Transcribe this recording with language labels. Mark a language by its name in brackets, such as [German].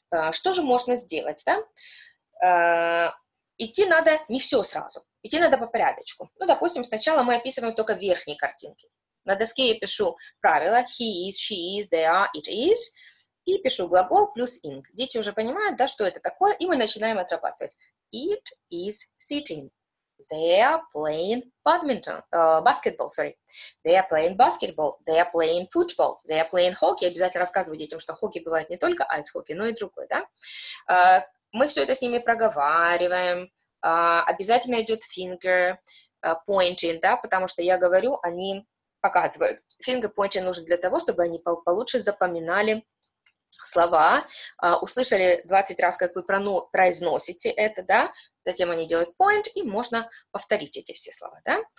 [Russian] Что же можно сделать, да? Идти надо не все сразу, идти надо по порядочку. Ну, допустим, сначала мы описываем только верхние картинки. На доске я пишу правила [English] he is, she is, they are, it is, [Russian] и пишу глагол плюс ing. Дети уже понимают, да, что это такое, и мы начинаем отрабатывать. [English] It is sitting. They are playing badminton. Basketball, sorry. They are playing basketball. They are playing football. They are playing hockey. [Russian] Обязательно рассказываю детям, что хоккей бывает не только айс-хоккей, но и другой, да. Мы все это с ними проговариваем. Обязательно идет finger pointing, да, потому что я говорю, они показывают. Finger pointing нужен для того, чтобы они получше запоминали слова, услышали 20 раз, как вы произносите это, да, затем они делают point, и можно повторить эти все слова, да.